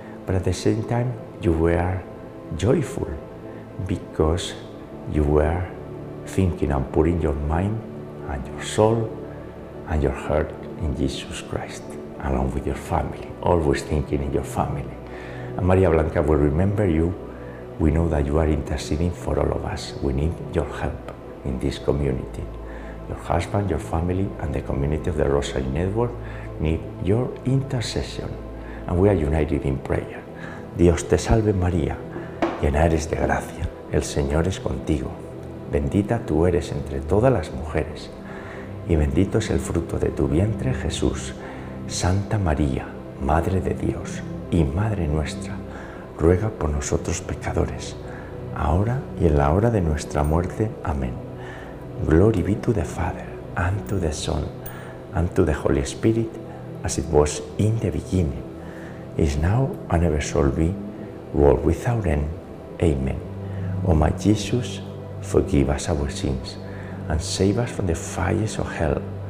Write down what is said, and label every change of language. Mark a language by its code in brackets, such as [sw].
[en] But at the same time, you were joyful because you were thinking and putting your mind and your soul and your heart in Jesus Christ, along with your family, always thinking in your family. And Maria Blanca will remember you. We know that you are interceding for all of us. We need your help in this community. Your husband, your family, and the community of the Rosary Network need your intercession. And we are united in prayer. [es] Dios te salve María, llena eres de gracia, el Señor es contigo. Bendita tú eres entre todas las mujeres, y bendito es el fruto de tu vientre, Jesús. Santa María, Madre de Dios y Madre nuestra, ruega por nosotros pecadores, ahora y en la hora de nuestra muerte. Amén. [en] Glory be to the Father, and to the Son, and to the Holy Spirit, as it was in the beginning, is now, and ever shall be, world without end. Amen. O my Jesus, forgive us our sins, and save us from the fires of hell.